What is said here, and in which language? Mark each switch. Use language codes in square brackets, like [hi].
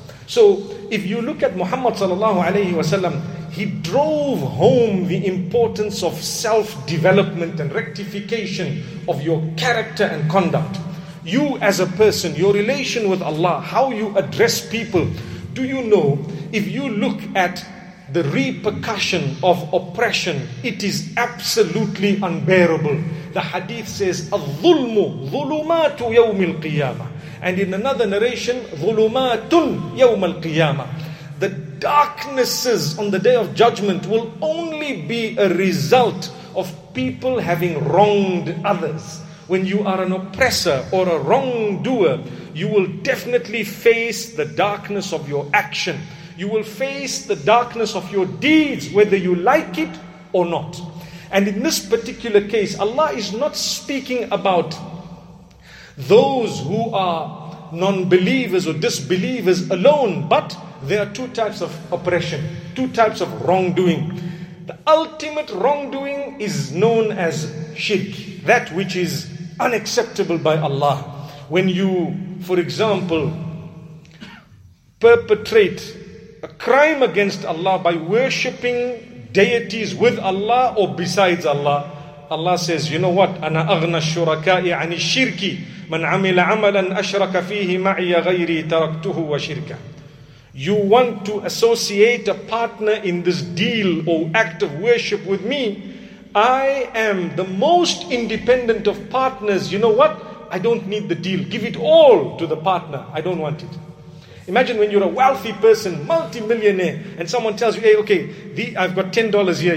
[en] So if you look at Muhammad sallallahu alayhi wa sallam, he drove home the importance of self-development and rectification of your character and conduct. You as a person, your relation with Allah, how you address people. Do you know, if you look at the repercussion of oppression, it is absolutely unbearable. The hadith says, [ar] الظلم ظلمات يوم القيامة. [en] And in another narration, [ar] ظلمات يوم القيامة. [en] The darknesses on the day of judgment will only be a result of people having wronged others. When you are an oppressor or a wrongdoer, you will definitely face the darkness of your action. You will face the darkness of your deeds, whether you like it or not. And in this particular case, Allah is not speaking about those who are non-believers or disbelievers alone, but there are two types of oppression, two types of wrongdoing. The ultimate wrongdoing is known as shirk, that which is unacceptable by Allah. When you, for example, perpetrate a crime against Allah by worshipping deities with Allah or besides Allah, Allah says, you know what? [ar] أَنَا أَغْنَى الشُّرَكَاءِ عَنِ الشِّرْكِ مَنْ عَمِلَ عَمَلًا أَشْرَكَ فِيهِ مَعِيَ غَيْرِي تَرَكْتُهُ وَشِرْكَ. [en] You want to associate a partner in this deal or act of worship with me, I am the most independent of partners. You know what? I don't need the deal. Give it all to the partner. I don't want it. Imagine when you're a wealthy person, multi-millionaire, and someone tells you, hey, okay, I've got $10 here.